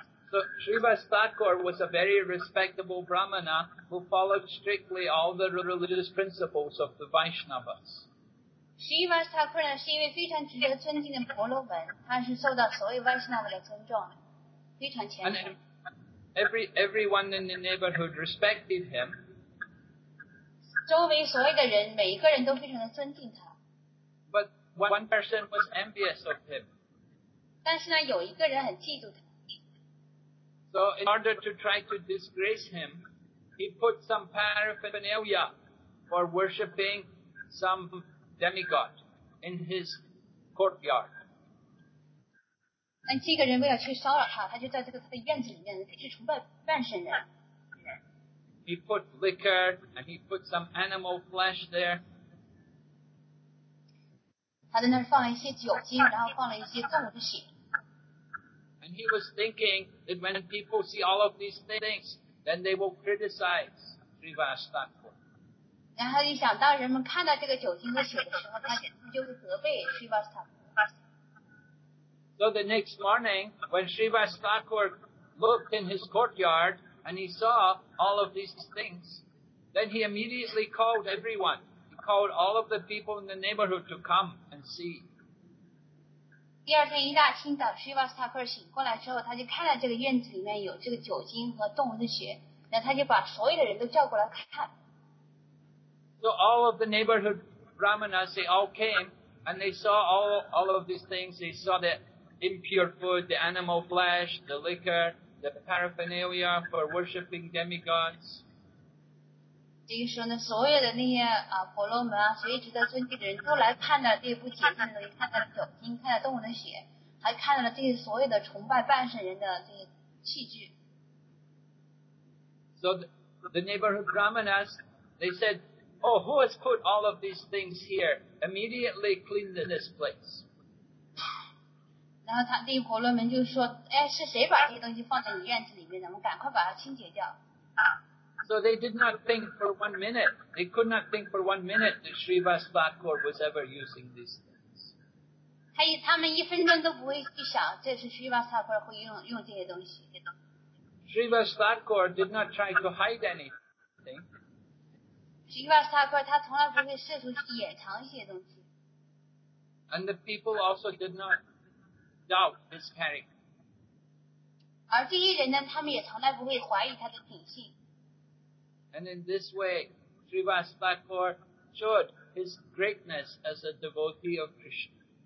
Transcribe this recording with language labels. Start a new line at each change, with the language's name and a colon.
English: So Srivas Thakur was a very respectable Brahmana who followed strictly all the religious principles of the Vaishnavas. Srivas Thakur is a very respected Brahmana who followed strictly all the religious principles of the Vaishnavas. Everyone in the neighborhood respected him.
Chinese: 周围所有的人，每一个人都非常的尊敬他。
English: But one person was envious of him.
Chinese: 但是呢，有一个人很嫉妒他。
English: So in order to try to disgrace him, he put some paraphernalia for worshipping some demigod in his courtyard.
Chinese: 但这个人为了去骚扰他，他就在这个他的院子里面去崇拜半神人。
English: He put liquor and he put some animal flesh there.
Chinese: 他在那儿放了一些酒精，然后放了一些动物的血。
English: And he was thinking that when people see all of these things, then they will criticize Srivas Thakur.
Chinese: 然后一想到人们看到这个酒精和血的时候，他就会责备 Srivas Thakur。
English: So the next morning, when Srivas Thakur looked in his courtyard and he saw all of these things, then he immediately called everyone. He called all of the people in the neighborhood to come and see.
Chinese: 第二天一大清早 ,Srivas Thakur 醒过来之后他就看到这个院子里面有这个酒精和动物的血那他就把所有的人都叫过来看。
English: So all of the neighborhood Brahmanas, they all came and they saw all of these things. They saw that. Impure food, the animal flesh, the liquor, the paraphernalia for worshipping demigods.
Chinese: 这个时候呢，所有的那些婆罗门啊，所有值得尊敬的人都来看到这部洁净的东西，看到了酒精，看到动物的血，还看到了这些所有的崇拜半神人的这些器具。
English: So the neighborhood brahmanas, they said, oh, who has put all of these things here? Immediately clean this place.
Chinese: 然后他地婆罗门就说, 哎, 是谁把这些东西放在你院子里面, 咱们赶快把它清洁掉。
English: So they did not think for 1 minute. They could not think for 1 minute that Srivas Thakur was ever using these things.
Chinese: 他们一分钟都不会去想, 这是Srivas Thakur会用这些东西。
English: Srivas Thakur did not try to hide anything.
Chinese: Srivas Thakur, 他从来不会试图去掩藏一些东西。
English: And the people also did not doubt his character.
Chinese: 而这些人呢, 他们也从来不会怀疑他的品性。
English: And in this way, Srivas Thakur showed his greatness as a devotee of Krishna.